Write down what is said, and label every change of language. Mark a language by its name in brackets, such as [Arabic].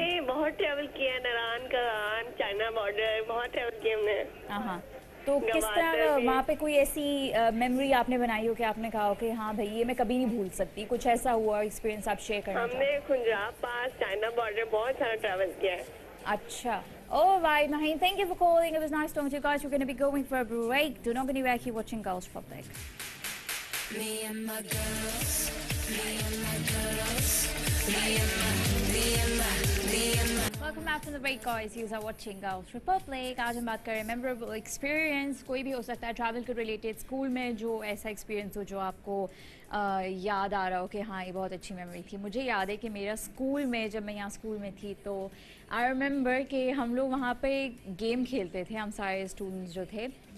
[Hindi] मैंने बहुत ट्रैवल किया है, नरान करान चाइना बॉर्डर बहुत ट्रैवल किया हमने. हाँ तो किस तरह वहाँ पे कोई ऐसी मेमोरी आपने बनाई हो कि आपने कहा हो कि हाँ भाई ये मैं कभी नहीं भूल सकती, कुछ ऐसा हुआ एक्सपीरियंस आप शेयर करना चाहो? हमने खुंजराब पास चाइना बॉर्डर बहुत सारा ट्रैवल किया है. [English] अच्छा oh bye Mahin, thank you for calling, it was nice talking to you guys. We're going to be going for a break, do not go anywhere, keep watching Girls for Becks. Me and my girls, me and my girls, me and my Welcome back to the break, guys. You are watching Girls Republic. [Hindi] आज हम बात कर रहे हैं memorable experience. कोई भी हो सकता है travel के related. School में जो ऐसा experience हो जो आपको याद आ रहा हो कि हाँ ये बहुत अच्छी memory थी. मुझे याद है कि मेरा school में जब मैं यहाँ school में थी तो [English] I remember [Hindi] कि हम लोग वहाँ पे game खेलते थे, हम सारे students जो थे.